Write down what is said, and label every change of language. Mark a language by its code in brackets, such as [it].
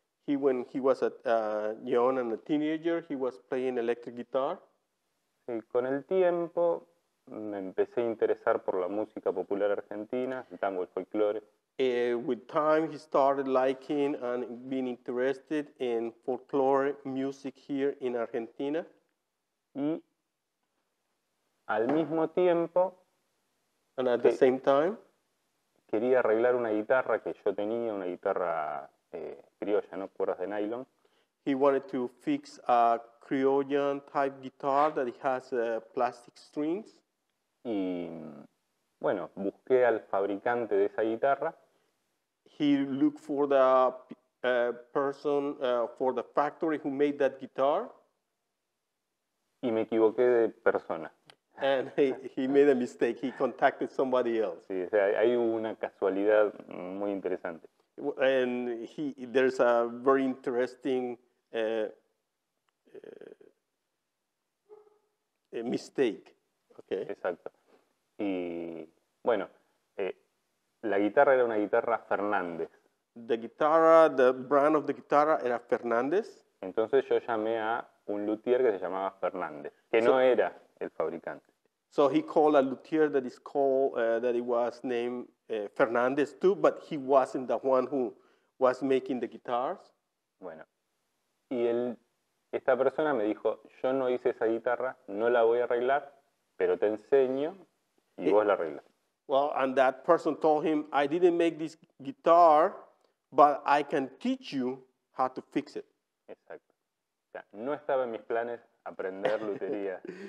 [en] When he was young and a teenager, he was playing electric guitar. [es] Sí, con el tiempo me empecé a interesar por la música popular argentina, el tango, el folclore. [en] With time, he started liking and being interested in folklore music here in Argentina. [es] Y al mismo tiempo, [en] and at the same time, [es] quería arreglar una guitarra que yo tenía, una guitarra criolla, ¿no? Cuerdas de nylon. [en] He wanted to fix a criollan type guitar that has plastic strings. [es] Y bueno, busqué al fabricante de esa guitarra. [en] He looked for the person for the factory who made that guitar. [es] Y me equivoqué de persona. [en] And he made a mistake. He contacted somebody else. [es] Sí, o sea, hay una casualidad muy interesante. [en] And there's a very interesting a mistake. Okay. [es] Exacto. Y bueno, la guitarra era una guitarra Fernández. [en] The guitarra, the brand of the guitar [es] era [en] Fernández. [es] Entonces yo llamé a un luthier que se llamaba Fernández, que no era el fabricante. [en] So he called a luthier that is called that it was named Fernández too, but he wasn't the one who was making the guitars. [es] Bueno, y esta persona me dijo, yo no hice esa guitarra, no la voy a arreglar, pero te enseño y vos la arreglas. [en] Well, and that person told him, I didn't make this guitar, but I can teach you how to fix it. [es] Exacto. O sea, no estaba en mis planes aprender lutería.